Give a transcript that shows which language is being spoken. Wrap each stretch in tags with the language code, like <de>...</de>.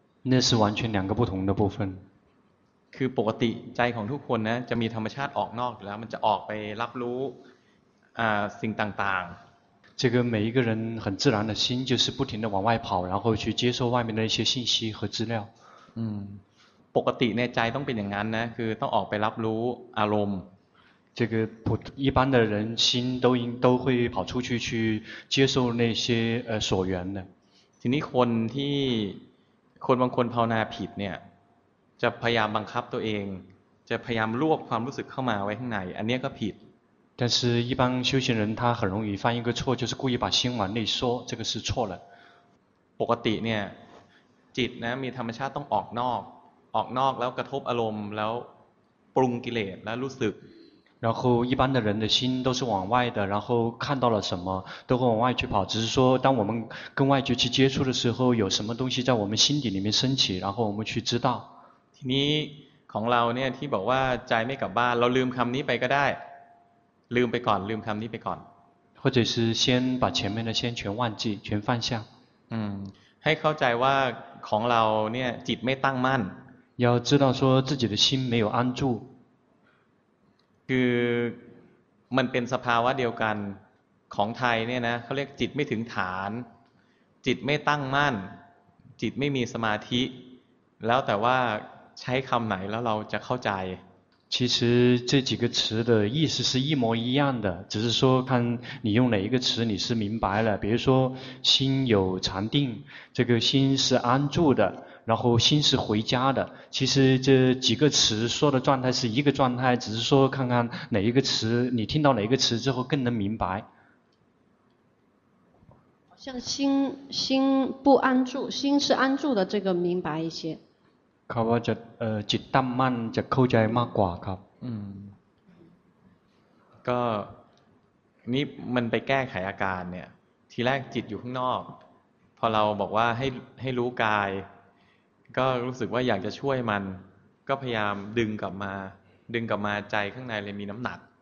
<zh>那是完全两个不同的部分</zh> <th>คือปกติใจของทุกคนนะจะมีธรรมชาติออกนอกอยู่แล้วมันจะออกไปรับรู้สิ่งต่าง</th> <zh>ๆ这个每一个人很自然的心就是不停的往外跑然后去接受外面的一些信息和资料</zh> <th>ปกติเนี่ยใจต้องเป็นอย่างนั้นนะคือต้องออกไปรับรู้อารมณ์</th> <zh>这个普一般的人心都会跑出去去接受那些所缘的</zh> <th>ทีนี้คนบางคนภาวนาผิดเนี่ยจะพยายามบังคับตัวเองจะพยายามรวบความรู้สึกเข้ามาไว้ข้างในอันนี้ก็ผิด</th> <zh>但是一般修行人他很容易犯一个错就是故意把心往内缩这个是错了</zh> <th>ปกติเนี่ยจิตนะมีธรรมชาติต้องออกนอกแล้วกระทบอารมณ์แล้วปรุงกิเลสแล้วรู้สึก</th> <zh>然后一般的人的心都是往外的然后看到了什么都会往外去跑只是说当我们跟外界去接触的时候有什么东西在我们心底里面升起然后我们去知道</zh> <th>ทีนี้ของเราเนี่ยที่บอกว่าใจไม่กลับบ้านเราลืมคำนี้ไปก็ได้ลืมคำนี้ไปก่อน</th> <zh>或者是先把前面的先全忘记全放下</zh> <th>ให้เข้าใจว่าของเราเนี่ยจิตไม่ตั้งมั่น</th> <zh>要知道说自己的心没有安住</zh> <th>คือมันเป็นสภาวะเดียวกันของไทยเนี่ยนะเขาเรียกจิตไม่ถึงฐานจิตไม่ตั้งมั่นจิตไม่มีสมาธิแล้วแต่ว่าใช้คำไหนแล้วเราจะเข้าใจ</th> <zh>其实这几个词的意思是一模一样的只是说看你用哪一个词你是明白了比如说心有禅定这个心是安住的然后心是回家的其实这几个词说的状态是一个状态只是说看看哪一个词你听到哪一个词之后更能明白好像心不安住心是安住的这个明白一些</zh> <th>เขาว่าจะจิตตั้งมั่นจะเข้าใจมากกว่าครับ ก็นี่มันไปแก้ไขอาการเนี่ยทีแรกจิตอยู่ข้างนอกพอเราบอกว่าให้รู้กายก็รู้สึกว่าอยากจะช่วยมันก็พยายามดึงกลับมาใจข้างในเลยมีน้ำหนัก</th>